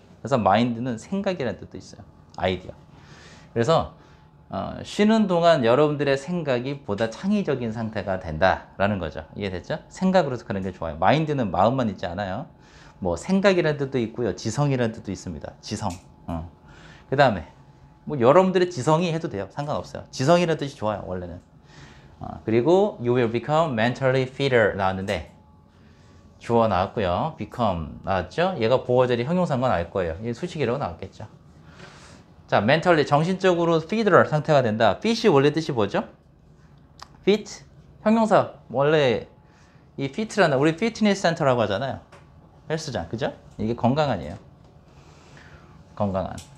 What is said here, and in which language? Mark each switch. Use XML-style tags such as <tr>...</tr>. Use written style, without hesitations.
<ko>그래서 마인드는 생각이라는 뜻도 있어요. 아이디어. 그래서 쉬는 동안 여러분들의 생각이 보다 창의적인 상태가 된다라는 거죠. 이해됐죠? 생각으로서 그런 게 좋아요. 마인드는 마음만 있지 않아요. 뭐 생각이라는 뜻도 있고요. 지성이라는 뜻도 있습니다. 지성. 그다음에 뭐 여러분들의 지성이 해도 돼요. 상관없어요. 지성이라는 뜻이 좋아요, 원래는.</ko> <en>그리고 you will become mentally fitter</en> <ko>나왔는데 주어 나왔고요. become 나왔죠? 얘가 보어절이 형용사인 건알 거예요. 이게 수식이라고 나왔겠죠. 자, mentally 정신적으로 feeder 상태가 된다. fit이 원래 뜻이 뭐죠? fit 형용사 원래 이 fit라는 우리 fitness center라고 하잖아요. 헬스장, 그죠? 이게 건강 아니에요? 건강한.</ko>